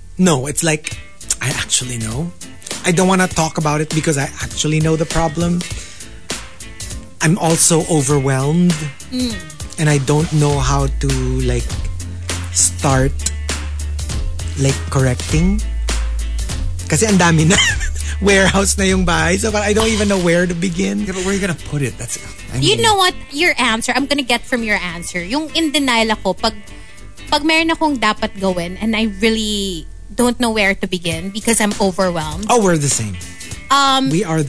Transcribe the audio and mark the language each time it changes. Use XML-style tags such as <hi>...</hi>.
<en>No, it's like, I actually know. I don't want to talk about it because I actually know the problem. I'm also overwhelmed. And I don't know how to, like, start, like, correcting.</en> <tl>Kasi ang dami na warehouse na yung bahay.</tl> <en>So I don't even know where to begin. Yeah, but where are you gonna put it? That's, you know what? Your answer, I'm gonna get from your answer.</en> <tl>Yung in denial ako, pag meron akong dapat gawin</tl> <en>and I really don't know where to begin because I'm overwhelmed. Oh, we're the same. We are the</en>